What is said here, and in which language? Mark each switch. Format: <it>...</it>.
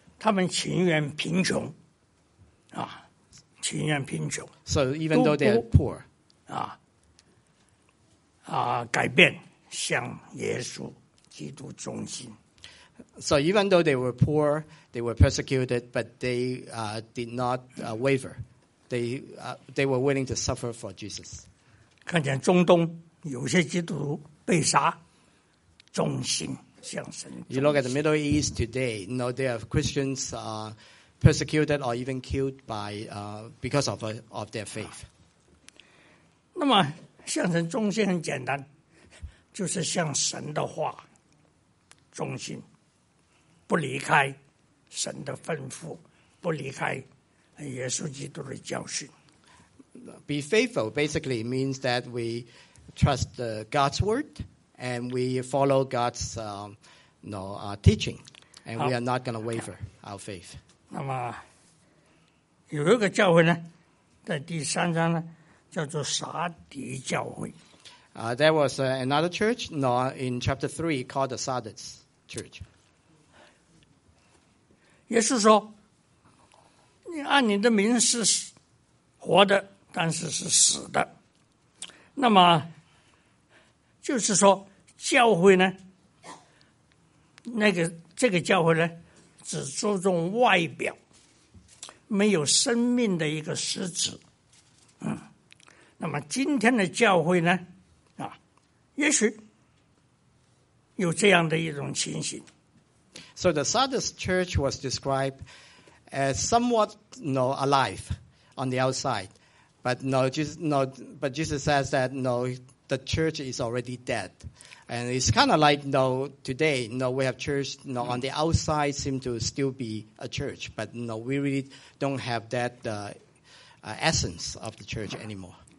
<zh>他们情愿贫穷，啊，情愿贫穷。</zh> <en>So even though they're poor, 啊。</en> <zh>改变向耶稣基督忠心。</zh> <en>So even though they were poor, they were persecuted, but they did not waver. They were willing to suffer for Jesus.</en> <zh>看见中东有些基督徒被杀，忠心向神。</zh> <en>You look at the Middle East today. There are Christians persecuted or even killed by because of their faith.</en> <zh>那么。向神忠心很简单，就是向神的话忠心，不离开神的吩咐，不离开耶稣基督的教训。</zh> <en>Be faithful basically means that we trust God's word and we follow God's teaching, and we are not going to waver our faith.</en> <zh>那么有一个教会呢，在第三章呢。叫做撒迪教会。</zh> <en>There was another church in chapter 3 called the Sardis Church.</en> <zh>耶稣说，你按你的名是活的，但是是死的。那么，就是说，教会呢，这个教会呢，只注重外表，没有生命的一个实质。那么今天的教会呢，也许有这样的一种情形。</zh> <en>So the Sardis church was described as somewhat alive on the outside, but but Jesus says that the church is already dead, and it's kind of like today we have church on the outside seem to still be a church, but we really don't have that essence of the church anymore.</en>